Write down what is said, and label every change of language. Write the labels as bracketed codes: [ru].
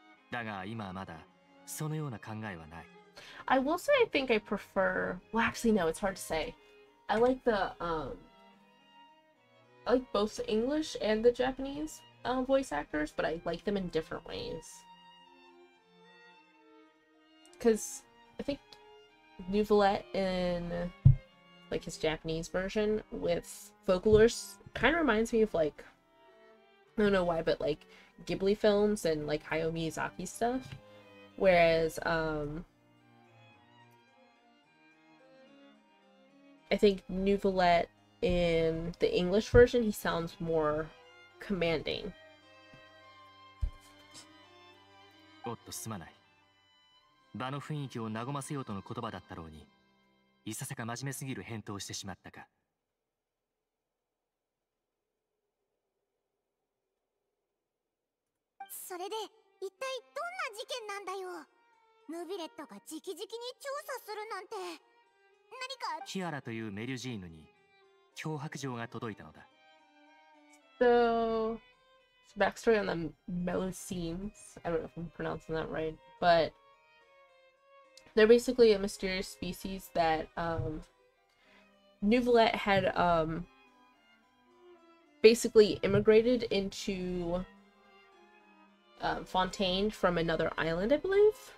[ja] だが今はまだそのような考えはない。 [en] I will say I think I prefer, well actually no, it's hard to say. I like the I like both the English and the Japanese voice actors, but I like them in different ways. Because I think Nouvellet in like his Japanese version with vocalers kind of reminds me of like, I don't know why, but like Ghibli films and like Hayao Miyazaki stuff. Whereas I think Nouvellet in the English version, he sounds more commanding. [ja] Oh, to smanai. 場の雰囲気を和ませようとの言葉だったろうに、いささか真面目すぎる返答をしてしまったか。それで一体どんな事件なんだよ。ヌビレットが直々に調査するなんて。何か。キアラというメリュジーヌに脅迫状が届いたのだ。 [en] So, backstory on the Melusines. I don't know if I'm pronouncing that right, but. They're basically a mysterious species that Nouvellet had basically immigrated into Fontaine from another island, I believe.